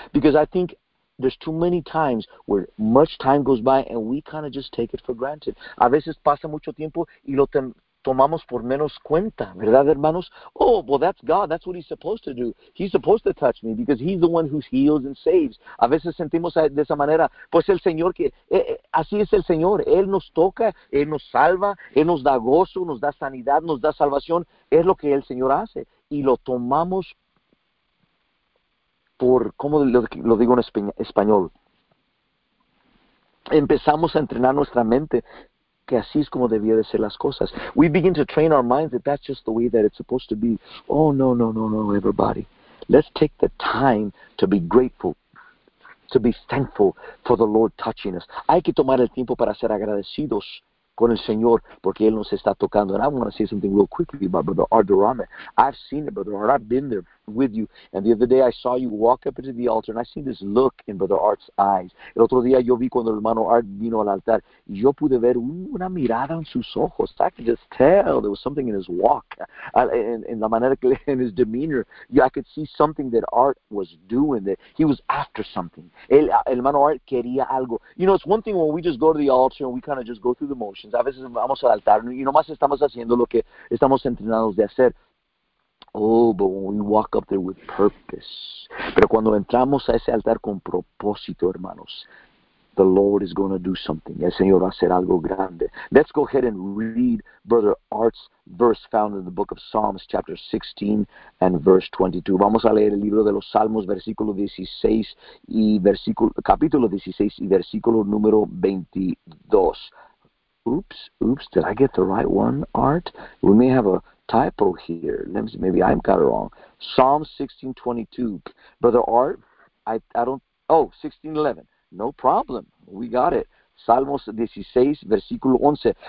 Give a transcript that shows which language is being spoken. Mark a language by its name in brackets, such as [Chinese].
[English] Because I think there's too many times where much time goes by and we kind of just take it for granted. [Spanish] A veces pasa mucho tiempo y lo tomamos por menos cuenta, ¿verdad, hermanos? [English] Oh, well, that's God. That's what He's supposed to do. He's supposed to touch me because He's the one who heals and saves. [Spanish] A veces sentimos de esa manera. Pues el Señor, que así es el Señor. Él nos toca, Él nos salva, Él nos da gozo, nos da sanidad, nos da salvación. Es lo que el Señor hace. Y lo tomamos por, ¿cómo lo digo en español? Empezamos a entrenar nuestra mente que así es como debía de ser las cosas. [English] We begin to train our minds that that's just the way that it's supposed to be. Oh, no, everybody. Let's take the time to be grateful, to be thankful for the Lord touching us. [Spanish] Hay que tomar el tiempo para ser agradecidos con el Señor, porque Él nos está tocando. [English] And I want to say something real quickly about Brother Ardorame. I've seen it, Brother Art. I've been there with you. And the other day, I saw you walk up into the altar, and I seen this look in Brother Art's eyes. [Spanish] El otro día, yo vi cuando el hermano Art vino al altar, yo pude ver una mirada en sus ojos. [English] I could just tell there was something in his walk, in [Spanish] la manera que, [English] in his demeanor. I could see something that Art was doing, that he was after something. [Spanish] El hermano Art quería algo. [English] You know, it's one thing when we just go to the altar, and we kind of just go through the motions. [Spanish] A veces vamos al altar y nomás estamos haciendo lo que estamos entrenados de hacer. [English] Oh, but when we walk up there with purpose. [Spanish] Pero cuando entramos a ese altar con propósito, hermanos, [English] the Lord is going to do something. [Spanish] El Señor va a hacer algo grande. [English] Let's go ahead and read Brother Art's verse found in the book of Psalms, chapter 16 and verse 22. [Spanish] Vamos a leer el libro de los Salmos, versículo 16 y capítulo 16 y versículo número 22. [English] Oops, did I get the right one, Art? We may have a typo here. Let me see, maybe I've got it wrong. Psalm 16:22. Brother Art, I don't, 16:11. No problem. We got it. [Spanish] Salmos 16, versículo 11.